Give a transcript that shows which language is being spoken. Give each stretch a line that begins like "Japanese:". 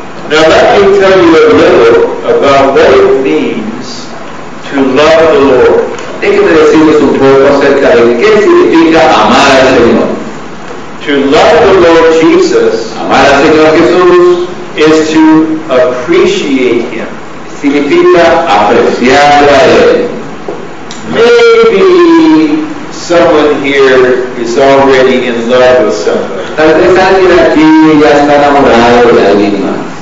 English: Now let me tell you a little about what it means to love the Lord.
Spanish: Déjenme decirles un poco acerca de qué significa amar al Señor.
English: To love the Lord Jesus,
Spanish: amar al Señor Jesús,
English: is to appreciate Him.
Spanish: Significa apreciar a Él.
English: Maybe someone here is already in love with somebody.
Spanish: Tal vez alguien aquí ya está enamorado de alguien más.